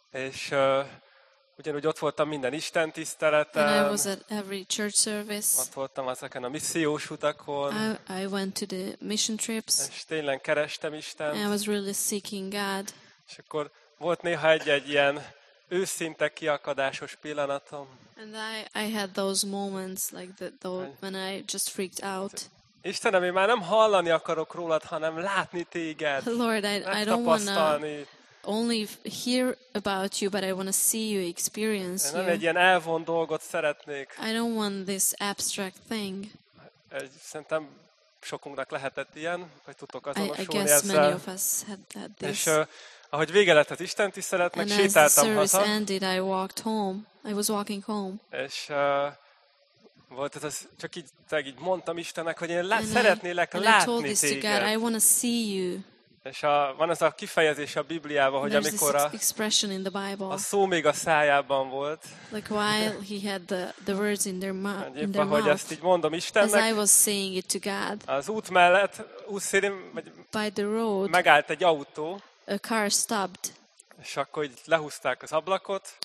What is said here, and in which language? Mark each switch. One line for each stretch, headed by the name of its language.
Hungarian: És ugyanúgy ott voltam minden Isten tiszteleten.
English: And I was at every church service.
Hungarian: Ott voltam ezeken a missziós utakon.
English: I went to the mission trips.
Hungarian: És tényleg kerestem Istent.
English: And I was really seeking God.
Hungarian: És akkor volt néha egy-egy ilyen őszinte kiakadásos pillanatom.
English: And I had those moments like that though when I just freaked out.
Hungarian: Istenem, én már nem hallani akarok rólad, hanem látni téged.
English: Lord, I don't wanna only hear about you, but I want to see you, experience you.
Hungarian: Én nem egy ilyen elvont dolgot szeretnék.
English: I don't want this abstract thing.
Hungarian: Szerintem sokunknak lehetett ilyen, vagy tudtok azonosulni ezzel.
English: I guess many of us had that this.
Hungarian: És ahogy vége lett az istentiszteletnek, sétáltam haza.
English: And as the service ended, I walked home. I was walking home.
Hungarian: És volt ez, csak így mondtam Istennek, hogy én szeretnélek látni téged.
English: And I told this to God, I want to see you.
Hungarian: És van ez a kifejezés a Bibliában, hogy amikor a szó még a szájában volt,
English: like while he had the words in their mouth.
Hungarian: Éppen, hogy ezt így mondom Istennek,
English: as I was saying it to God,
Hungarian: az út mellett, útszélén,
English: by the road,
Hungarian: megállt egy autó,
English: a car stopped,
Hungarian: és akkor így lehúzták az ablakot,